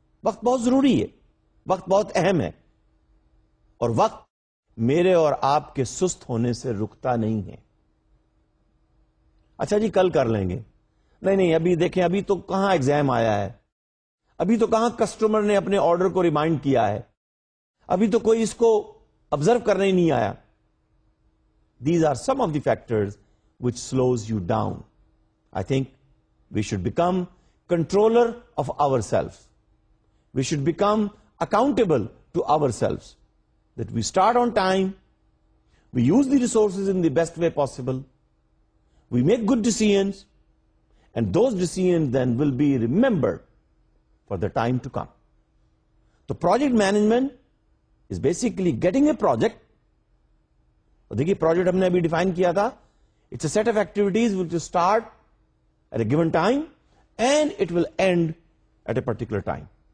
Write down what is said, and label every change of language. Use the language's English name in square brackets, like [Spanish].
[Urdu] Waqt bahut zaruri hai, waqt bahut ahem hai, aur waqt mere aur aapke sust hone se rukta nahi hai. Acha ji kal kar lenge. نہیں نہیں ابھی دیکھیں, ابھی تو کہاں exam آیا ہے, ابھی تو کہاں کسٹمر نے اپنے آرڈر کو ریمائنڈ کیا ہے, ابھی تو کوئی اس کو آبزرو کرنے ہی نہیں آیا. [English] These are some of the factors which slows you down. I think we should become controller of our self, we should become accountable to our self, that we start on time, we use the resources in the best way possible, we make good decisions. And those decisions then will be remembered for the time to come. So project management is basically getting a project. [Urdu] Dekhi project humne abhi define kiya tha. [English] It's a set of activities which will start at a given time and it will end at a particular time.